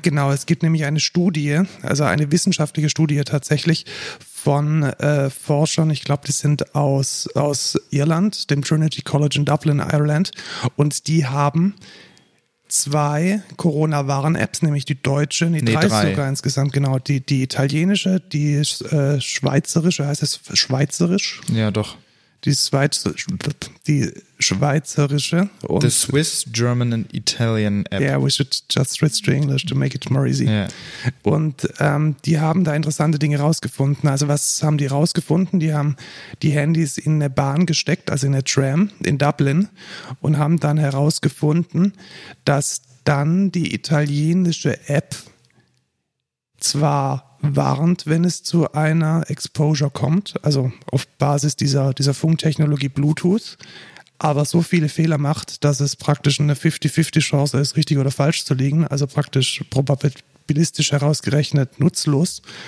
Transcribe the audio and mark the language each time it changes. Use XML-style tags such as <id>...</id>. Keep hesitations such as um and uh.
<de>Genau, es gibt nämlich eine Studie, also eine wissenschaftliche Studie tatsächlich von äh, Forschern, ich glaube, die sind aus, aus Irland, dem Trinity College in Dublin, Ireland, und die haben zwei Corona-Warn-Apps, nämlich die deutsche, nee, Nee, drei, drei. sogar insgesamt, genau, die, die italienische, die äh, schweizerische, heißt es schweizerisch? Ja, doch. Die, Schweiz, die schweizerische und</de> <en>The Swiss, German and Italian App. Yeah, we should just switch to English to make it more easy.</en> <de>Ja. Und ähm, die haben da interessante Dinge rausgefunden. Also was haben die rausgefunden? Die haben die Handys in eine Bahn gesteckt, also in eine Tram in Dublin und haben dann herausgefunden, dass dann die italienische App zwar warnt, wenn es zu einer Exposure kommt, also auf Basis dieser, dieser Funktechnologie Bluetooth, aber so viele Fehler macht, dass es praktisch eine 50-50 Chance ist, richtig oder falsch zu liegen, also praktisch probabilistisch herausgerechnet nutzlos.</de>